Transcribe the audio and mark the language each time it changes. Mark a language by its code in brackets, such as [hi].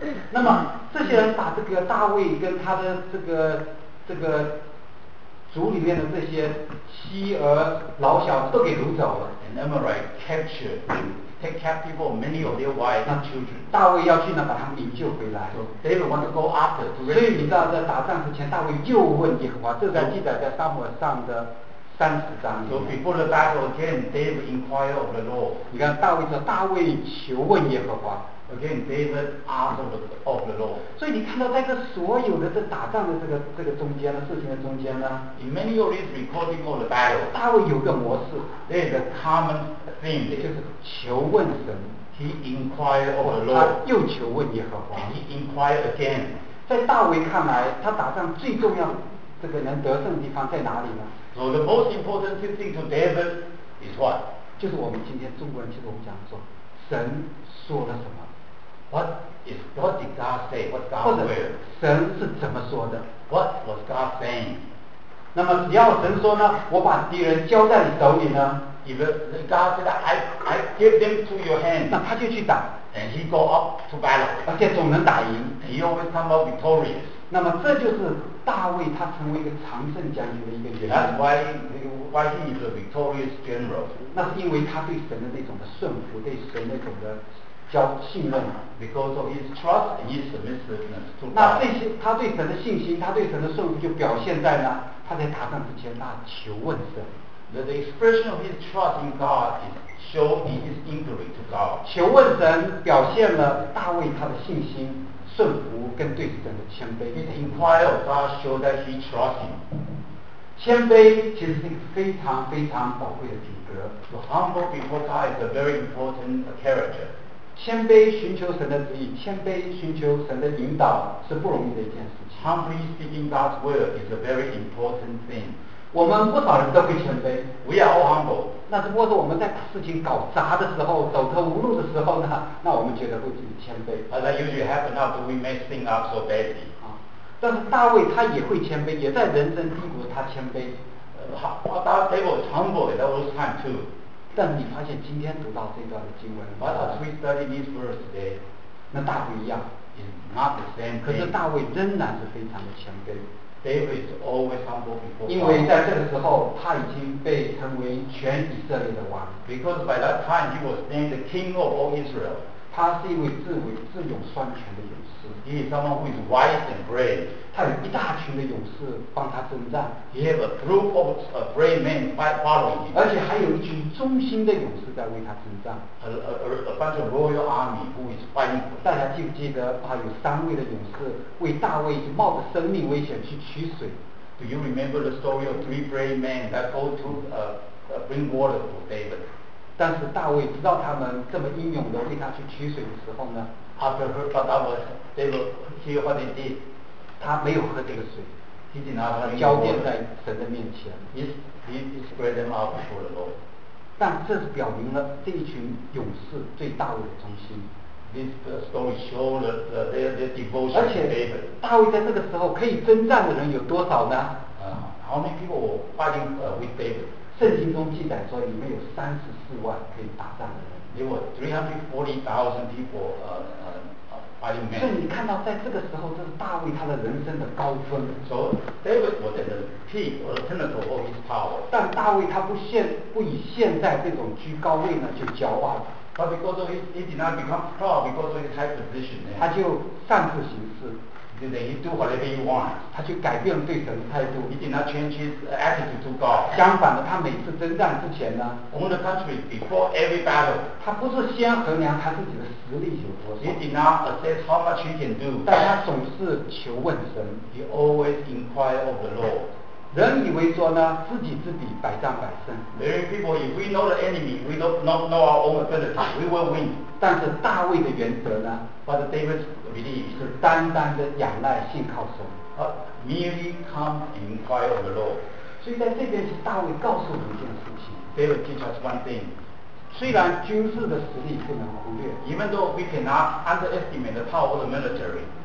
[zh] 那么这些人把这个大卫跟他的这个族里面的这些妻儿老小都给掳走了。 [en] And Amorite captured, take captive of many of their wives and children. [zh] 大卫要去呢，把他们营救回来。 [en] So David want to go after. [zh] 所以你知道，在打仗之前，大卫又问耶和华，这在记载在撒母耳上的三十章。 [en] So before the battle again, David inquired of the Lord. [zh] 你看大卫说，大卫求问耶和华。 [en] Again, David asked of the Lord. [zh] 所以你看到在这所有的这打仗的这个中间的事情的中间呢 [en] ，In many of these recording of the battle, [zh] 大卫有个模式 [en] ，There is a common theme, [zh] 也就是求问神 [en] ，He inquired of the Lord. [zh] 他又求问耶和华 [en] ，He inquired again. [zh] 在大卫看来，他打仗最重要这个能得胜的地方在哪里呢 [en] ？So the most important thing to David is what? [zh] 就是我们今天中国人，其实我们讲说，神说了什么？ [en] What is what did God say? What God will? [zh] 神是怎么说的 [en] ？What was God saying? [zh] 那么只要神说呢，我把敌人交在你手里呢 [en] ，If God said I give them to your hand, [zh] 那他就去打 [en] ，and he go up to battle, [zh] 而且总能打赢 [en] ，he always come out victorious. [zh] 那么这就是大卫他成为一个常胜将军的一个原因。 [en] That's why he is a victorious general. [zh] 那是因为他对神的那种的顺服，对神那种的。叫信任 [en] ，because of his trust and his submissiveness to God. [zh] 那这些他对神的信心，他对神的顺服，就表现在呢，他在打仗之前，他求问神。 [en] The expression of his trust in God is shown in his inquiry to God. [zh] 求问神表现了大卫他的信心、顺服跟对神的谦卑。 [en] His inquiry of God shows that he trusts him. [zh] 谦卑其实是一个非常非常宝贵的品格。 [en] So humble before God is a very important character. [zh] 谦卑寻求神的旨意，谦卑寻求神的引导是不容易的一件事情。 [en] Humbly speaking God's word is a very important thing. [zh] 我们不少人都会谦卑。 [en] We are all humble. [zh] 那只不过是我们在把事情搞砸的时候，走投无路的时候呢，那我们觉得会自己谦卑。 [en] But that usually happens after we mess things up so badly. [zh] 但是大卫他也会谦卑，也在人生低谷他谦卑。 [en] David was humble at all times too. [zh] 但你发现今天读到这段的经文 [en] ，But as we study this verse today， [zh] 那大不一样 [en] ，is not the same。 [zh] 可是大卫仍然是非常的谦卑 [en] ，David is always humble before。 [zh] 因为在这个时候，他已经被称为全以色列的王 [en] ，because by that time he was named the king of all Israel。 [zh] 他是一位智勇双全的勇士 [en] ，he is someone who is wise and brave。 [zh] 他有一大群的勇士帮他征战 [en] ，he have a group of brave men following him， [zh] 而且还有一群忠心的勇士在为他征战 [en] ，a bunch of royal army who is fighting。 [zh] 大家记不记得啊？有三位的勇士为大卫冒着生命危险去取水 [en] ？Do you remember the story of three brave men that go to bring water for David？ [zh] 但是大卫知道他们这么英勇的为他去取水的时候呢 [en] ？After heard about David, David hear what they did。 [zh] 他没有喝这个水 [en] He did not have [zh] 交奠在神的面前。 [en] He is great enough for the Lord. [zh] 但这是表明了这一群勇士对大卫的忠心。 [en] This story shows their devotion to David. [zh] 而且大卫在这个时候可以征战的人有多少呢？ [en] How many people were fighting with David? [zh] 圣经中记载说里面有34万可以打仗的人。 [en] There were 340,000 people. Fighting men. [zh] 所以你看到在这个时候，这是大卫他的人生的高峰。 [en] So David was at the peak or the pinnacle of his power. [zh] 但大卫他不以现在这种居高位呢就骄傲了。 [en] But because of he did not become proud because of his high position. [zh] 他就擅自行事。 [en] Then he do whatever he wants. [zh] 他就改变对神的态度。 [en] He did not change his attitude to God. [zh] 相反的，他每次征战之前呢 [en] ，On the country before every battle. [zh] 他不是先衡量他自己的实力有多少。 [en] He did not assess how much he can do. [zh] 但他总是求问神。 [en] He always inquire of the Lord. [zh] 人以为说呢，自己之敌百战百胜。 [en] Many people, if we know the enemy, we don't know our own ability, we will win. [zh] 但是大卫的原则呢 [en] ？But David's belief [zh] 是单单的仰赖信靠神。 [en] Merely come inquire of the Lord. [zh] 所以在这边是大卫告诉我们一件事情。 [en] David teach us one thing. [zh] 虽然军事的实力不能忽略 [en] ，Even though we cannot underestimate the power of the military.